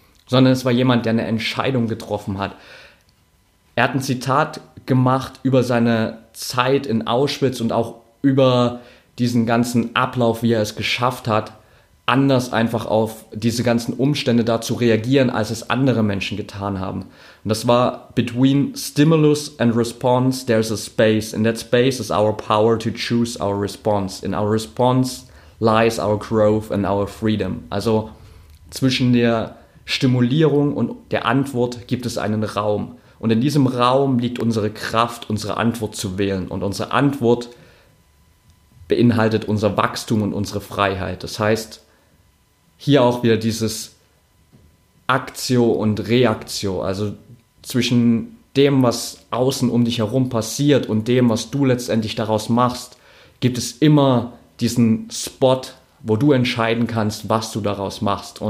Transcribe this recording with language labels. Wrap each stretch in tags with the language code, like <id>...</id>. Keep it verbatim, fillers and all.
<de>Sondern es war jemand, der eine Entscheidung getroffen hat. Er hat ein Zitat gemacht über seine Zeit in Auschwitz und auch über diesen ganzen Ablauf, wie er es geschafft hat, anders einfach auf diese ganzen Umstände da zu reagieren, als es andere Menschen getan haben. Und das war:</de> <en>Between stimulus and response, there's a space. In that space is our power to choose our response. In our response lies our growth and our freedom.</en> <de>Also zwischen der Stimulierung und der Antwort gibt es einen Raum. Und in diesem Raum liegt unsere Kraft, unsere Antwort zu wählen. Und unsere Antwort beinhaltet unser Wachstum und unsere Freiheit. Das heißt, hier auch wieder dieses Aktio und Reaktio, also zwischen dem, was außen um dich herum passiert und dem, was du letztendlich daraus machst, gibt es immer diesen Spot, wo du entscheiden kannst, was du daraus machst.</de>